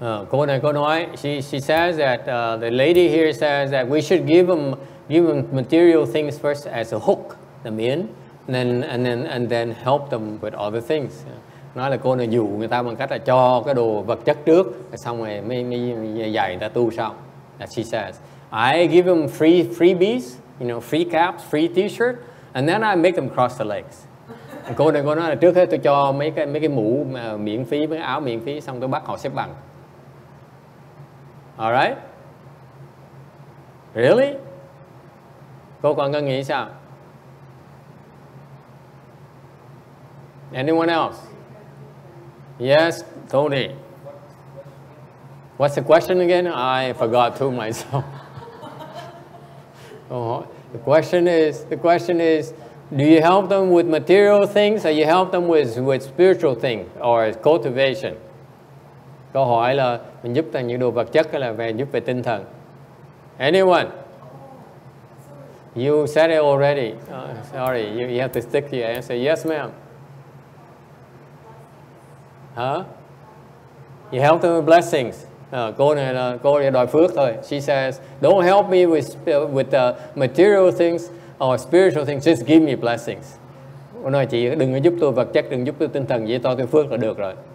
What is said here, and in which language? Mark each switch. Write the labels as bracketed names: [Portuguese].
[Vietnamese] Cô này cô nói, [English] she says that the lady here says that we should give them material things first as a hook, the mean, and then help them with other things. [Vietnamese] Nói là cô này dụ người ta bằng cách là cho cái đồ vật chất trước, xong rồi mới dạy người ta tu sau. [English] That she says, I give them freebies. You know, free caps, free t-shirt, and then I make them cross the legs. [Vietnamese] Cô này cô nói là trước hết tôi cho mấy cái mũ miễn phí, mấy áo miễn phí, xong tôi bắt họ xếp bằng. [English] All right? Really? [Vietnamese] Cô còn ngân nghĩ sao? [English] Anyone else? Yes, Tony. What's the question again? I forgot to myself. The question is, do you help them with material things, or you help them with spiritual things or cultivation? [Vietnamese] Câu hỏi là mình giúp bằng những đồ vật chất hay là về giúp về tinh thần? [English] Anyone? You said it already. Sorry, you have to stick to your answer. Yes, ma'am. Huh? You help them with blessings. [Vietnamese] Cô này là cô đòi phước thôi. [English] She says, don't help me with material things or spiritual things, just give me blessings. [Vietnamese] Cô nói chị đừng có giúp tôi vật chất, đừng giúp tôi tinh thần, dễ to tôi phước là được rồi.